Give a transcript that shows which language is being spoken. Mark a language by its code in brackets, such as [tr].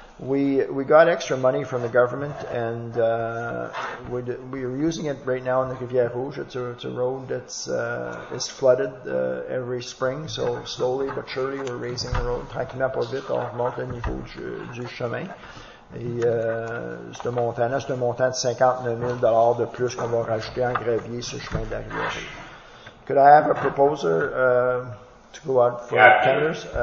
[en] We got extra money from the government, and we're using it right now in the Rivière Rouge. It's a road that's is flooded every spring, so slowly but surely we're raising the road. [fr] Tranquillement pas vite, on remonte le niveau du chemin. C'est un montant de 59 000 $ de plus qu'on va rajouter en gravier sur le chemin de la Rivière Rouge. [en] Could I have a proposer to go out for tenders?